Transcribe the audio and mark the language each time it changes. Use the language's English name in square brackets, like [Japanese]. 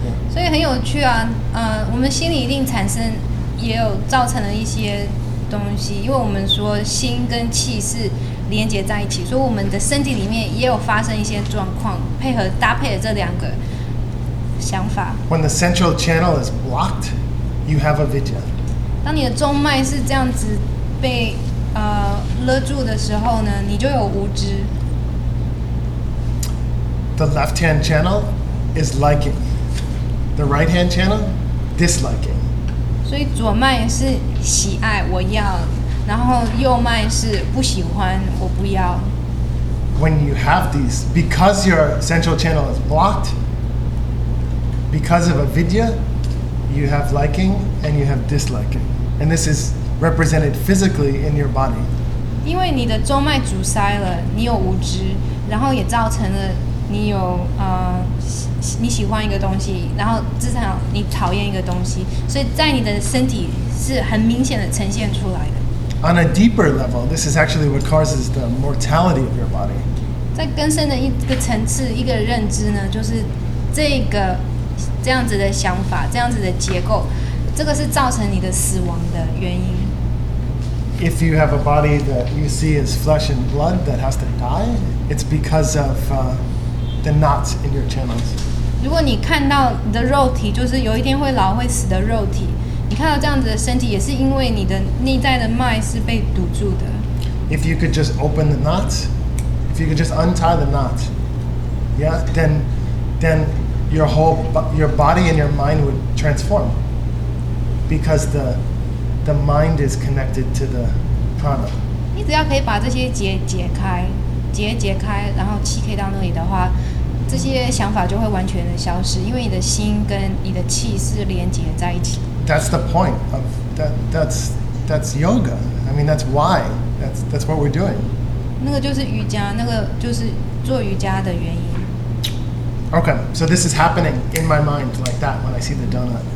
[Chinese] 所以很有趣啊，我们心里一定产生，也有造成了一些东西，因为我们说心跟气是连接在一起，所以我们的身体里面也有发生一些状况，配合搭配了这两个想法。 [English] When the central channel is blocked, you have a avidya. [Chinese] 当你的中脉是这样子被勒住的时候呢，你就有无知。 [English] The left hand channel is liking. The right-hand channel, disliking. [Chinese] 所以左脉是喜爱，我要；然后右脉是不喜欢，我不要。 [English] When you have these, because your central channel is blocked, because of avidya, you have liking and you have disliking. And this is represented physically in your body. [Chinese] 因为你的中脉阻塞了，你有无知，然后也造成了你有你喜欢一个东西，然后至少你讨厌一个东西，所以在你的身体是很明显的呈现出来的。 [English] On a deeper level, this is actually what causes the mortality of your body. [Chinese] 在更深的一个层次、一个认知呢，就是这个这样子的想法、这样子的结构，这个是造成你的死亡的原因。 [English] If you have a body that you see as flesh and blood that has to die, it's because of the knots in your channels. [Chinese] 如果你看到你的肉体就是有一天会老会死的肉体，你看到这样子的身体，也是因为你的内在的脉是被堵住的。 [English] If you could just open the knots, if you could just untie the knot, yeah, then your whole your body and your mind would transform, because the mind is connected to the prana. [Chinese] 你只要可以把这些结解开，结开，然后气可以到那里的话。这些想法就会完全的消失，因为你的心跟你的气是连接在一起。 [English] That's the point of that. That's yoga. I mean, that's why. That's what we're doing. [Chinese] 那个就是瑜伽，那个就是做瑜伽的原因。 [English] Okay, so this is happening in my mind like that when I see the donut.